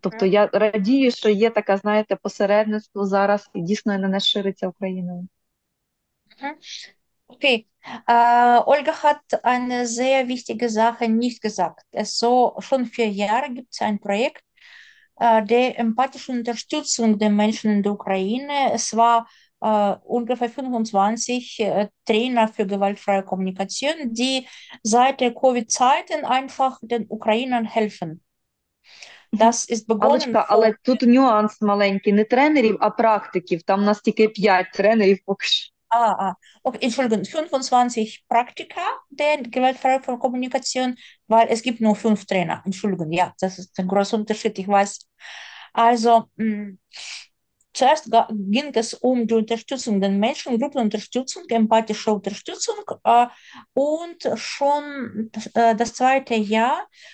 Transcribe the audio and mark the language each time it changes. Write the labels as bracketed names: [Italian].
[Ukrainian] Тобто я радію, що є таке, знаєте, посередництво зараз, і дійсно на нас шириться Україною. Okay. [German] Olga hat eine sehr wichtige Sache nicht gesagt. So schon 4 Jahre gibt es ein Projekt der empathischen Unterstützung der Menschen in der Ukraine. Es war ungefähr 25 Trainer für gewaltfreie Kommunikation, die seit der Covid-Zeiten einfach den Ukrainern helfen. Das ist begonnen [Ukrainian] Аллочка, але [German] vor. [Ukrainian] тут нюанс маленький, не тренерів, а практиків. Там у нас тільки 5 тренерів поки що. [German] Okay, Entschuldigung, 25 Praktika der gewaltfreien Kommunikation, weil es gibt nur 5 Trainer. Entschuldigung, ja, das ist ein großer Unterschied, ich weiß. Also, zuerst ging es um die Unterstützung, den Menschengruppenunterstützung, empathische Unterstützung, und schon das zweite Jahr.